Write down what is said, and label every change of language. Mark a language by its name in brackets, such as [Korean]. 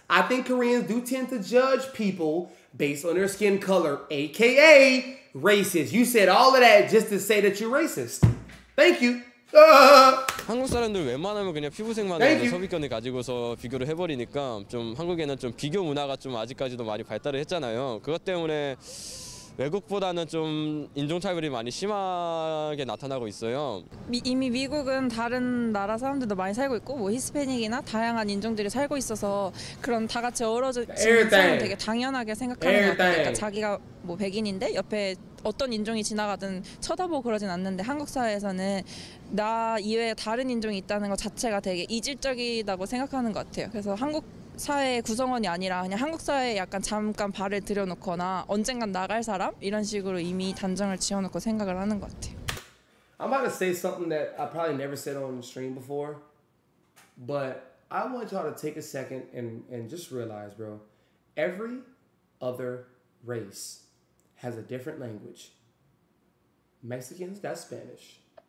[English] I think Koreans do tend to judge people based on their skin color, aka racist. You said all of that just to say that you're racist. Thank you. [Korean] 한국 사람들 웬만하면 그냥 피부색만으로 소비권을 가지고서 비교를 해버리니까 좀 한국에는 좀 비교 문화가 좀 아직까지도 많이 발달을 했잖아요. 그것 때문에 외국보다는 좀 인종차별이 많이 심하게 나타나고 있어요. 이미 미국은 다른 나라 사람들도 많이 살고 있고 뭐 히스패닉이나 다양한 인종들이 살고 있어서 그런 다 같이 어우러지는 사람 되게 당연하게 생각하는 것 같아요. 그러니까 자기가 뭐 백인인데 옆에 어떤 인종이 지나가든 쳐다보고 그러진 않는데 한국 사회에서는 나 이외에 다른 인종이 있다는 것 자체가 되게 이질적이라고 생각하는 것 같아요. 그래서 한국 사회의 구성원이 아니라 그냥 한국 사회에 약간 잠깐 발을 들여놓거나 언젠간 나갈 사람? 이런 식으로 이미 단정을 지어놓고 생각을 하는 것 같아요. [English] I'm about to say something that I probably never said on the stream before, but I want y'all to take a second and just realize, bro, every other race has a different language. Mexicans, that's Spanish.